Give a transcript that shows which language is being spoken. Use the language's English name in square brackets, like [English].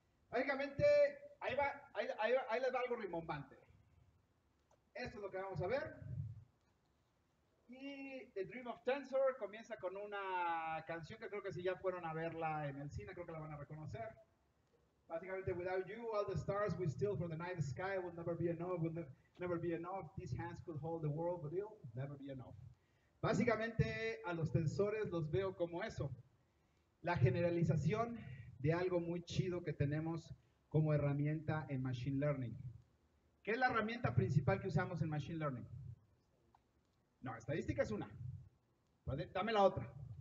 [Spanish] Básicamente, ahí les va algo rimbombante. Esto es lo que vamos a ver. Y The Dream of Tensor comienza con una canción que creo que si ya fueron a verla en el cine, creo que la van a reconocer. Básicamente, [English] without you, all the stars we steal from the night sky will never be enough, will never be enough. These hands could hold the world, but it'll never be enough. [Spanish] Básicamente, a los tensores los veo como eso. La generalización de algo muy chido que tenemos como herramienta en Machine Learning. ¿Qué es la herramienta principal que usamos en Machine Learning? No, estadística es una. ¿Vale? Dame la otra.